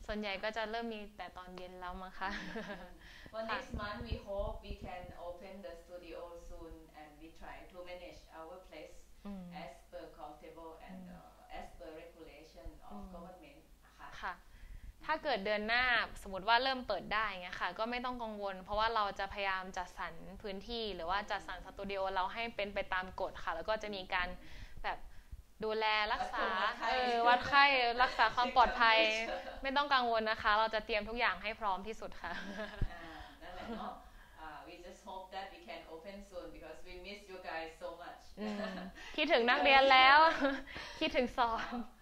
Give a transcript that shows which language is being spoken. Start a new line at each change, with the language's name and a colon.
Thai: ส่วนใหญ่ก็จะเริ่มมีแต่ตอนเย็นแล้วมั้งคะ
English: For next month we hope we can open the studio soon and we try to manage our place as per comfortable and as per regulation of government ค่ะ
Thai: ถ้าเกิดเดือนหน้าสมมติว่าเริ่มเปิดได้เงี้ยค่ะก็ไม่ต้องกังวลเพราะว่าเราจะพยายามจัดสรรพื้นที่หรือว่าจัดสรรสตูดิโอเราให้เป็นไปตามกฎค่ะแล้วก็จะมีการแบบดูแลรักษาวัดไข้รักษาความปลอดภัยไม่ต้องกังวลนะคะเราจะเตรียมทุกอย่างให้พร้อมที่สุดค่ะ นั่นแหละเนาะ
English: we just hope that we can open soon because we miss you guys so much
Thai: คิดถึงนักเรียนแล้วคิดถึงสอน